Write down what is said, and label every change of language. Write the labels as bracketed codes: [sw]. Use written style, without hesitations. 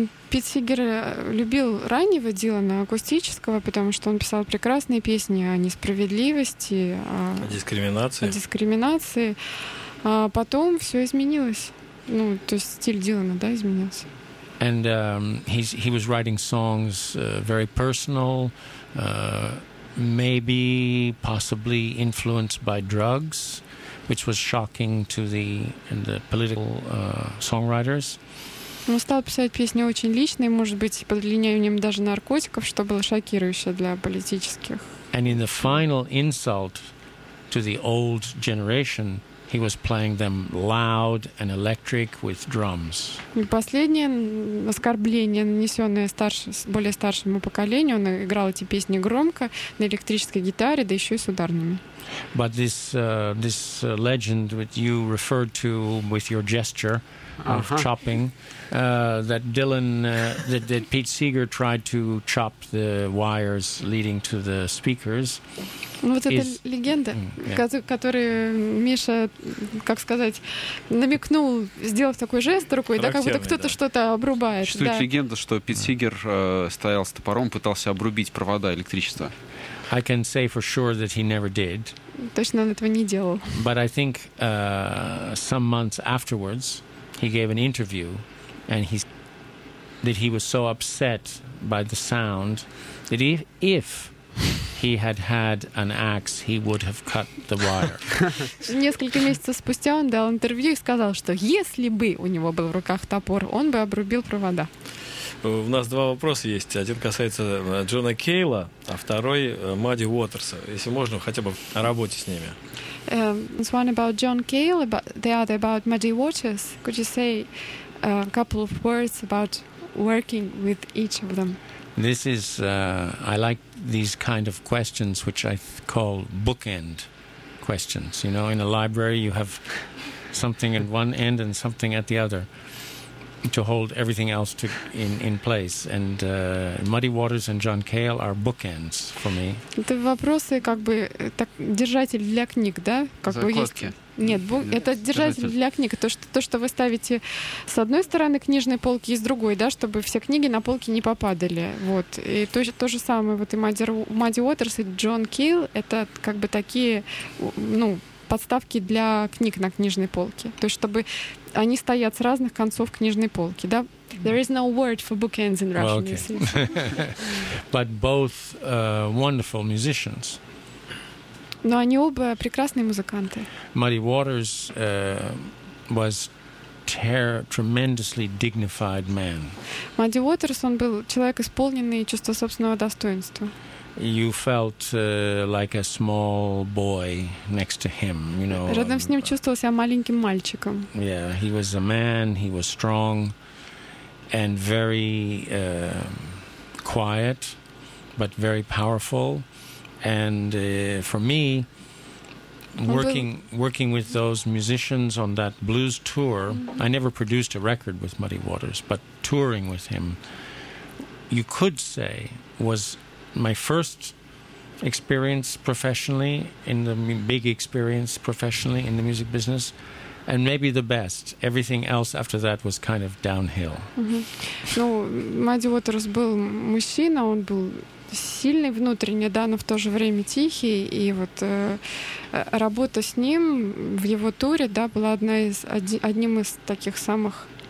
[ru] Пит Сигер любил раннего Дилана, акустического, потому что он писал прекрасные песни о несправедливости, о дискриминации. А потом все изменилось. Ну, то есть стиль Дилана, да, изменился. [en] And he was writing songs very personal, maybe possibly influenced by drugs, which was shocking to the political songwriters. [ru] Он стал писать песни очень личные, может быть, под влиянием даже наркотиков, что было шокирующе для политических. [en] And in the final insult to the old generation, he was playing them loud and electric with drums. [ru] И последнее оскорбление, нанесенное более старшему поколению, он играл эти песни громко на электрической гитаре, да еще и с ударными. [en] But this legend which you referred to with your gesture of chopping, that Pete Seeger tried to chop the wires leading to the speakers. [ru] Вот эта легенда, которую Миша, как сказать, намекнул, сделав такой жест рукой, да, как будто кто-то что-то обрубает. Существует легенда, что Пит Сигер стоял с топором, пытался обрубить провода электричества. [en] I can say for sure that he never did. [ru] Точно он этого не делал. [en] But I think some months afterwards he gave an interview and he said that he was so upset by the sound that if he had had an axe, he would have cut the wire. [ru] Несколько месяцев спустя он дал интервью и сказал, что если бы у него был в руках топор, он бы обрубил провода. У нас два вопроса есть. Один касается Джона Кейла, а второй Мадди Уотерса. Если можно, хотя бы о работе с ними. [en] It's one about John Cale, but the other about Muddy Waters. Could you say a couple of words about working with each of them? This is, I like these kind of questions, which I call bookend questions. You know, in a library you have something at one end and something at the other to hold everything else in place. And Muddy Waters and John Cale are bookends for me. [ru] Это вопросы, как бы, так, держатель для книг, да? Как закладки. Есть... Нет, это держатель для книг. То, что вы ставите с одной стороны книжной полки и с другой, да, чтобы все книги на полке не попадали. Вот. И то же самое, вот и Мадди Уотерс, и Джон Кейл, это как бы такие, ну, подставки для книг на книжной полке. То есть, чтобы они стоят с разных концов книжной полки, да? [en] There is no word for bookends in Russian, well, okay. You see. but both wonderful musicians. [ru] Но они оба прекрасные музыканты. [en] Muddy Waters was tremendously dignified man. [ru] Muddy Waters, он был человек, исполненный чувства собственного достоинства. [en] You felt like a small boy next to him, you know. [ru] Рядом с ним чувствовал себя маленьким мальчиком. [en] Yeah, he was a man, he was strong and very quiet, but very powerful. And for me, working with those musicians on that blues tour, mm-hmm. I never produced a record with Muddy Waters, but touring with him, you could say, was my first experience professionally in the big experience professionally in the music business, and maybe the best. Everything else after that was kind of downhill. Mm-hmm. [ru] Ну, Muddy Waters был мужчина, он был сильный внутренне, да, но в то же время тихий, и вот работа с ним в его туре, да, была одним из таких самых